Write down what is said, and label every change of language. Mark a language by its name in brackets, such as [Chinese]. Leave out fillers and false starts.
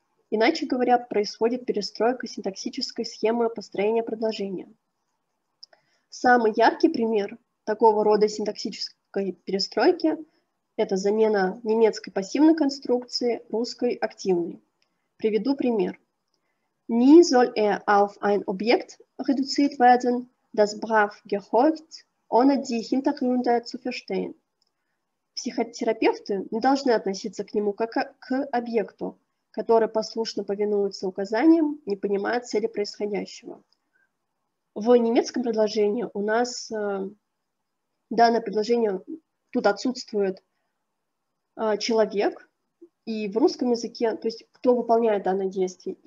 [Russian] Иначе говоря, происходит перестройка синтаксической схемы построения предложения. Самый яркий пример такого рода синтаксической перестройки – это замена немецкой пассивной конструкции русской активной. Приведу пример. [German] Nie soll auf ein Objekt reduziert werden, das brav gehorcht, ohne die Hintergründe zu verstehen. [Russian] Психотерапевты не должны относиться к нему как к объекту, который послушно повинуется указаниям, не понимая цели происходящего. В немецком предложении у нас данное предложение, тут отсутствует человек, и в русском языке, то есть кто выполняет данное действие.